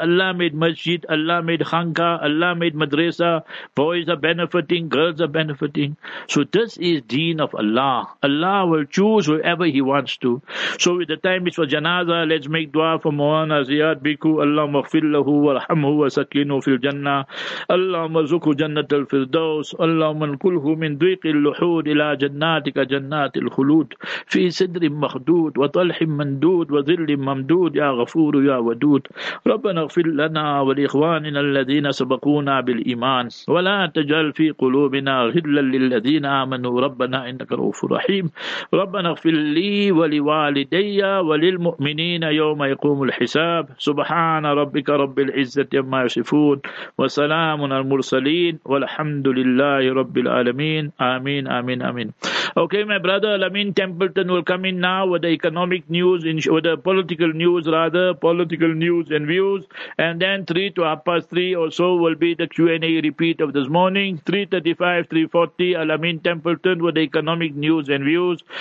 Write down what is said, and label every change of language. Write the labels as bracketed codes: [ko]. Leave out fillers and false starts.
[en] Allah made masjid, Allah made khanka, Allah made madrasa. Boys are benefiting, girls are benefiting. So this is deen of Allah. Allah will choose whoever he wants to. So with the time it's for janaza, let's make dua for Moana Ziyad Biku. [ar] Allah maghfir lahu wa rahamhu wa sakinu fil jannah. Allah mazuku jannah. الفردوس اللهم انقله من ضيق اللحود إلى جناتك جنات الخلود في صدر مخدود وطلح مندود وظل ممدود يا غفور يا ودود ربنا اغفر لنا ولإخواننا الذين سبقونا بالإيمان ولا تجعل في قلوبنا غلا للذين آمنوا ربنا إنك رؤوف رحيم ربنا اغفر لي ولوالدي وللمؤمنين يوم يقوم الحساب سبحان ربك رب العزة عما يصفون وسلام على المرسلين Walhamdulillahi Rabbil Alameen. Ameen, ameen, ameen. [en] Okay, my brother Lamin Templeton will come in now with the economic news, with the political news rather, political news and views. And then 3 to half past 3 or so will be the Q&A repeat of this morning. 3:35, 3:40, Lamin Templeton with the economic news and views.